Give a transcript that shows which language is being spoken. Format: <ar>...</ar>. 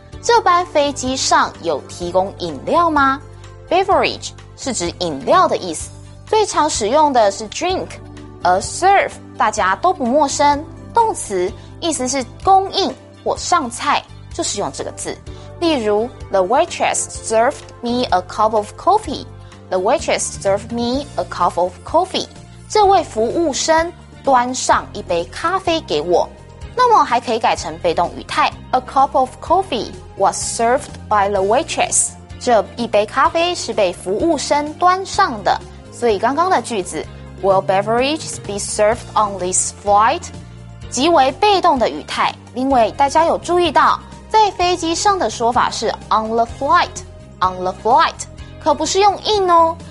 <zh>这班飞机上有提供饮料吗？ Beverage 是指饮料的意思，最常使用的是 drink， 而 serve 大家都不陌生，动词意思是供应或上菜，就是用这个字。例如</zh> <en>，The waitress served me a cup of coffee. The waitress served me a cup of coffee.</en> <zh>这位服务生端上一杯咖啡给我。那么还可以改成被动语态</zh> <en>，A cup of coffee was served by the waitress.</en> <zh>这一杯咖啡是被服务生端上的。所以刚刚的句子</zh> <en>，Will beverages be served on this flight？</en> <zh>即为被动的语态。另外大家有注意到，在飞机上的说法是</zh> <en>on the flight， on the flight，</en> <zh>可不是用 in 哦。</zh>